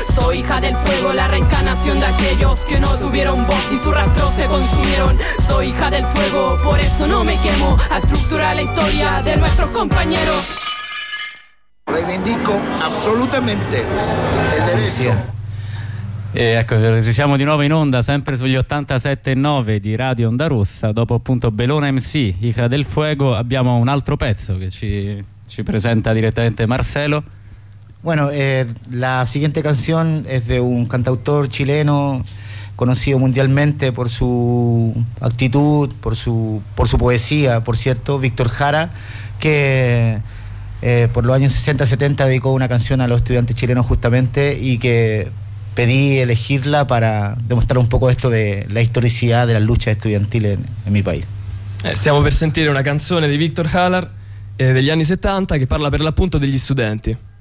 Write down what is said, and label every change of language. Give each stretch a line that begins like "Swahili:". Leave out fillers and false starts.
Spanish: Soy hija del fuego, la reencarnación de aquellos que no tuvieron voz y su rastro se consumieron. Soy hija del fuego, por eso no me quemo a estructurar la historia de nuestros compañeros. Reivindico absolutamente el derecho.
Italian: E ecco, siamo di nuovo in onda, sempre sugli 87.9 di Radio Onda Rossa. Dopo appunto Bellona MC, Hija del Fuego, abbiamo un altro pezzo che ci presenta direttamente Marcelo.
Spanish: Bueno, la siguiente canción es de un cantautor chileno conocido mundialmente por su actitud, por su poesía, por cierto, Víctor Jara, que por los años 60-70 dedicó una canción a los estudiantes chilenos justamente, y que pedí elegirla para demostrar un poco esto de la historicidad de la lucha estudiantil en mi país.
Italian: Stiamo per sentire una canzone di Víctor Jara degli anni 70 che parla per l'appunto degli studenti.